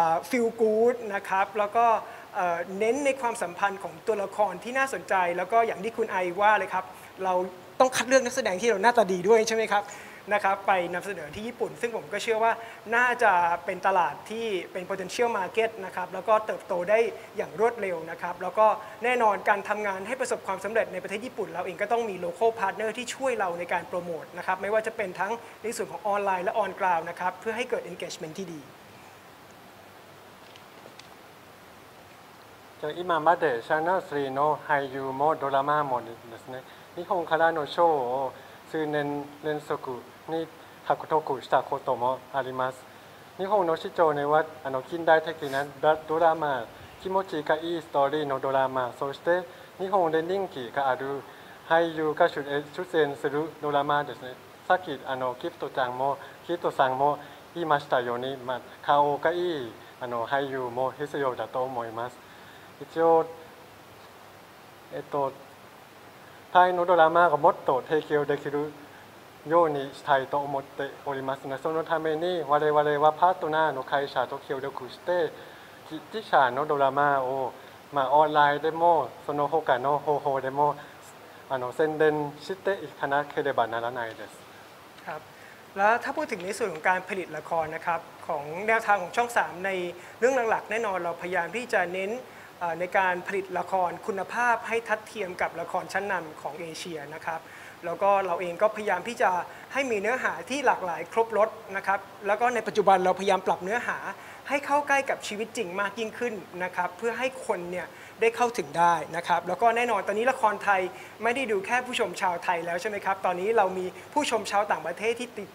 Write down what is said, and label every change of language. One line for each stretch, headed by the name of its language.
Thai: ฟีลกู๊ดนะครับแล้วก็เน้นในความสัมพันธ์ของตัวละครที่น่าสนใจแล้วก็อย่างที่คุณไอว่าเลยครับเราต้องคัดเลือกนักแสดงที่เราหน้าตาดีด้วยใช่ไหมครับนะครับไปนำเสนอที่ญี่ปุ่นซึ่งผมก็เชื่อว่าน่าจะเป็นตลาดที่เป็น potential market นะครับแล้วก็เติบโตได้อย่างรวดเร็วนะครับแล้วก็แน่นอนการทำงานให้ประสบความสำเร็จในประเทศญี่ปุ่นเราเองก็ต้องมี local partner ที่ช่วยเราในการโปรโมทนะครับไม่ว่าจะเป็นทั้งในส่วนของออนไลน์และออนกราวด์นะครับเพื่อให้เกิด engagement ที่ดี
Japanese: じゃ今までシャナスリーの俳優もドラマもですね、日本からの賞を数年連続に獲得したこともあります。日本の市場には近代的なドラマ、気持ちがいいストーリーのドラマ、そして日本で人気がある俳優が出演するドラマですね。さっきギフトちゃんもギフトさんも言いましたように、まあ、顔がいい俳優も必要だと思います。一応、タイのドラマがもっと提供できるようにしたいと思っておりますが、そのために我々はパートナーの会社と協力して、自社のドラマを、まあ、オンラインでもその他の方法でも宣伝していかなければならないです。
Thai: แล้วถ้าพูดถึงในส่วนของการผลิตละครนะครับของแนวทางของช่อง3ในเรื่องหลักๆแน่นอนเราพยายามที่จะเน้นในการผลิตละครคุณภาพให้ทัดเทียมกับละครชั้นนำของเอเชียนะครับ แล้วก็เราเองก็พยายามที่จะให้มีเนื้อหาที่หลากหลายครบรสนะครับแล้วก็ในปัจจุบันเราพยายามปรับเนื้อหาให้เข้าใกล้กับชีวิตจริงมากยิ่งขึ้นนะครับเพื่อให้คนเนี่ยได้เข้าถึงได้นะครับแล้วก็แน่นอนตอนนี้ละครไทยไม่ได้ดูแค่ผู้ชมชาวไทยแล้วใช่ไหมครับตอนนี้เรามีผู้ชมชาวต่างประเทศที่